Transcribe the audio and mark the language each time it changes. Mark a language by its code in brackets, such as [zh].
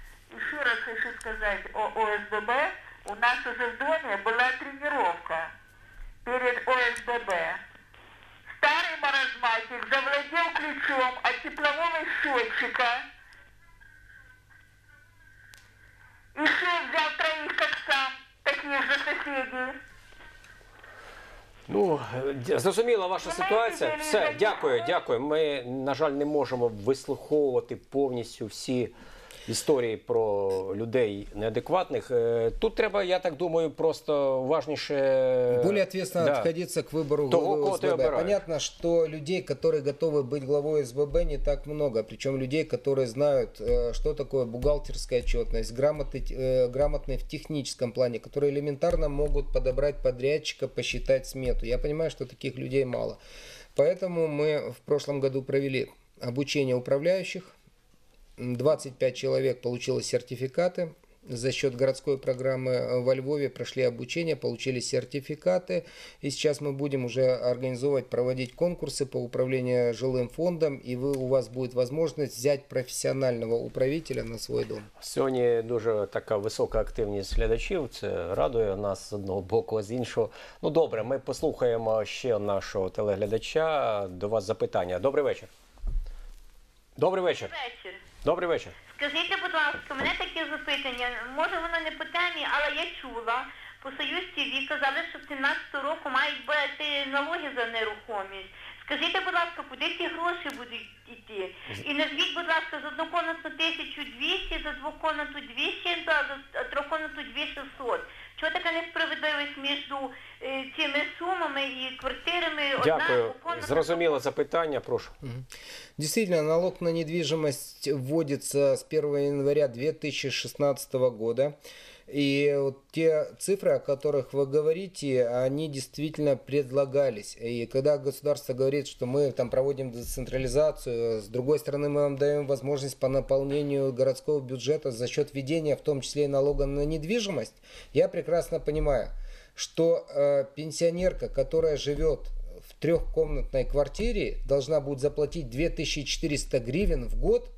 [ru] Еще раз хочу сказать, о ОСББ у нас уже в доме была тренировка перед ОСББ. Старый маразматик завладел ключом от теплового счетчика и еще взял троих, как сам, такие же соседи. [uk] Ну, зрозуміла ваша ситуація. Все, дякую, дякую. Ми, на жаль, не можемо вислуховувати повністю всі історії про людей неадекватних. Тут треба, я так думаю, просто уважніше... [ru] Более ответственно отходиться к выбору главы СББ. Понятно, что людей, которые готовы быть главой СББ, не так много. Причем людей, которые знают, что такое бухгалтерская отчетность, грамотные в техническом плане, которые элементарно могут подобрать подрядчика, посчитать смету. Я понимаю, что таких людей мало. Поэтому мы в прошлом году провели обучение управляющих. 25 человек получили сертификаты за счет городской программы во Львове, прошли обучение, получили сертификаты. И сейчас мы будем уже организовывать, проводить конкурсы по управлению жилым фондом. И у вас будет возможность взять профессионального управителя на свой дом. [uk] Сьогодні дуже така висока активність глядачів. Це радує нас з одного боку, з іншого. Ну добре, ми послухаємо ще нашого телеглядача. До вас запитання. Добрий вечір. Добрий вечір. Добрий вечір. Скажіть, будь ласка, у мене таке запитання. Може, воно не по темі, але я чула. По Союз ТВ казали, що з 17-го року мають бути налоги за нерухомість. Скажіть, будь ласка, куди ці гроші будуть йти? І назвіть, будь ласка, за одну кімнату 1200, за дву кімнату 200, а за три кімнату 2600. Чого така несправедливість між цими сумами і квартирами? Дякую. Зрозуміло запитання, прошу. [ru] Действительно, налог на недвижимость вводится с 1 января 2016 года. И вот те цифры, о которых вы говорите, они действительно предлагались. И когда государство говорит, что мы там проводим децентрализацию, с другой стороны, мы вам даем возможность по наполнению городского бюджета за счет введения, в том числе и налога на недвижимость, я прекрасно понимаю, что пенсионерка, которая живет в трехкомнатной квартире, должна будет заплатить 2400 гривен в год.